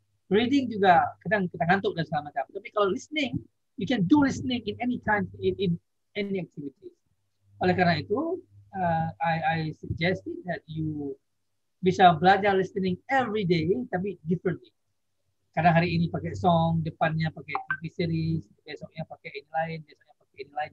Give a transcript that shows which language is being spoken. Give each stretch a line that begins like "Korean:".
Indonesian: Reading juga kadang kita ngantuk dan segala macam. Tapi kalau
English: listening, you can do listening in any time in any activity.
Indonesian: Oleh karena itu,
English: I suggested that you
Indonesian: bisa belajar
English: listening every day,
Indonesian: tapi
English: differently.
Indonesian: Karena hari ini pakai song, depannya pakai TV series, besoknya pakai ini lain, besoknya pakai ini lain.